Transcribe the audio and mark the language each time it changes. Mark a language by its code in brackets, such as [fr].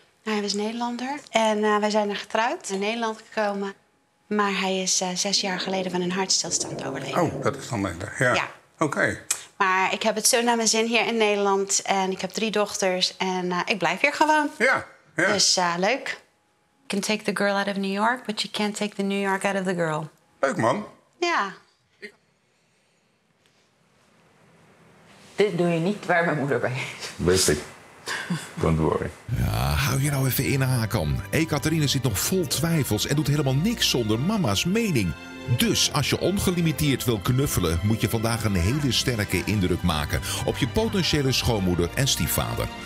[nl] Hij was Nederlander en wij zijn er getrouwd in Nederland gekomen. Maar hij is 6 jaar geleden van een hartstilstand overleden. Oh, dat is dan minder. Ja. Ja. Oké. Okay. Maar ik heb het zo naar mijn zin hier in Nederland. En ik heb 3 dochters en ik blijf hier gewoon. Ja. Ja. Dus leuk. [en] You can take the girl out of New York, but you can't take the New York out of the girl. [nl] Leuk, man. Ja. Dit doe je niet waar mijn moeder bij is. Weet ik. [en] Don't worry. [nl] Ja, hou je nou even in, Hakan. Ekaterina zit nog vol twijfels en doet helemaal niks zonder mama's mening. Dus als je ongelimiteerd wil knuffelen, moet je vandaag een hele sterke indruk maken op je potentiële schoonmoeder en stiefvader.